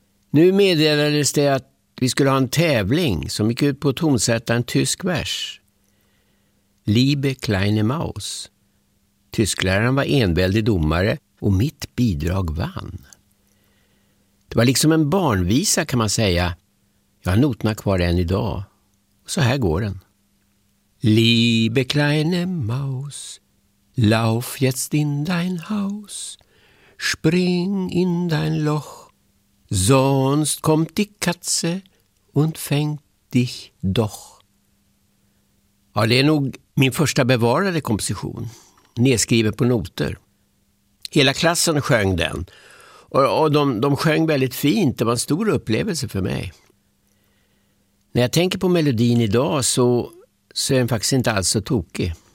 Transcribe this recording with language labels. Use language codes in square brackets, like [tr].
[sv] Nu meddelades det att vi skulle ha en tävling som gick ut på att tonsätta en tysk vers. [de] Liebe kleine Maus. [sv] Tyskläraren var enväldig domare och mitt bidrag vann. Det var liksom en barnvisa kan man säga. Jag har noterna kvar än idag. Så här går den. [de] Liebe kleine Maus, lauf jetzt in dein Haus, spring in dein Loch, sonst kommt die Katze und fängt dich doch. [sv] Ja, det är nog min första bevarade komposition, nedskriven på noter. Hela klassen sjöng den och de sjöng väldigt fint. Det var en stor upplevelse för mig. När jag tänker på melodin idag så är den faktiskt inte alls så tokig.